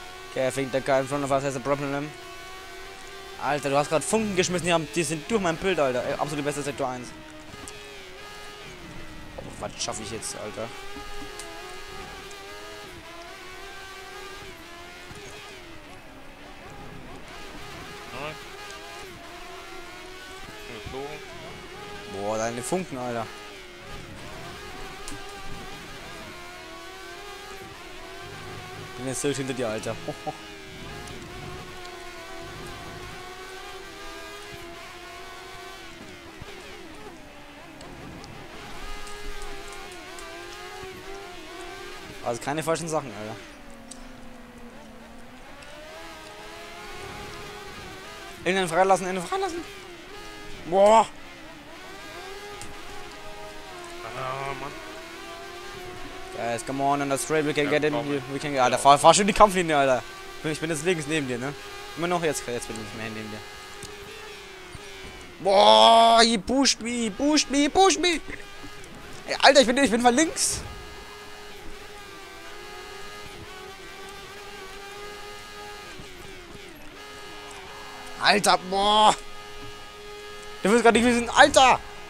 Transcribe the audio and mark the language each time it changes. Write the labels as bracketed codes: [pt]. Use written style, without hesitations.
[en] Okay, I think the guy in front of us has a problem. [de] Alter, du hast gerade Funken geschmissen, die sind durch mein Bild, Alter. Absolut beste Sektor 1. Aber was schaffe ich jetzt, Alter? Boah, deine Funken, Alter. Ich bin jetzt durch hinter dir, Alter. Also keine falschen Sachen, Alter. Innen freilassen, innen freilassen! Boah! [en] Guys, come on, on the straight, we can get in, we can get... [de] Alter, fahr schon die Kampflinie, Alter. Ich bin jetzt links neben dir, ne? Immer noch jetzt bin ich nicht mehr neben dir. [en] Boah, he pushed me, pushed me, pushed me! [de] Ey, Alter, ich bin mal links! Alter, boah! Du willst gerade nicht wissen, Alter!